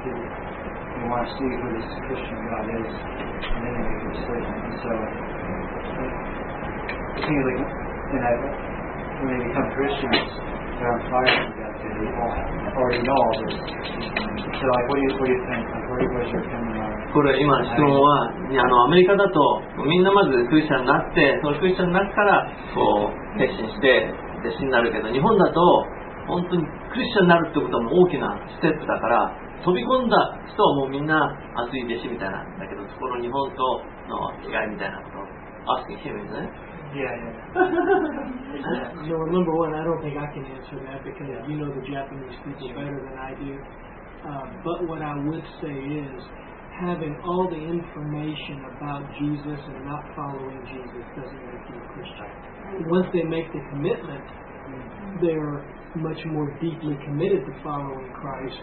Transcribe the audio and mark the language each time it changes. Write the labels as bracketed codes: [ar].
[en] And so it seems like, and I. When they become Christians, they're on fire with God, so they already know all this. So, like, what do you think? Like, what was your opinion on? [ja] これ今質問は、アメリカだとみんなまずクリスチャンになって、そのクリスチャンになってからこう決心して弟子になるけど、日本だと本当にクリスチャンになるってことも大きなステップだから、飛び込んだ人はもうみんな熱い弟子みたいなんだけど、そこの日本との違いみたいなことを [en] ask him [ja] ですね。 [en] Yeah, yeah. So, number one, I don't think I can answer that because you know the Japanese people better than I do. But what I would say is, having all the information about Jesus and not following Jesus doesn't make you a Christian. Once they make the commitment, they're much more deeply committed to following Christ.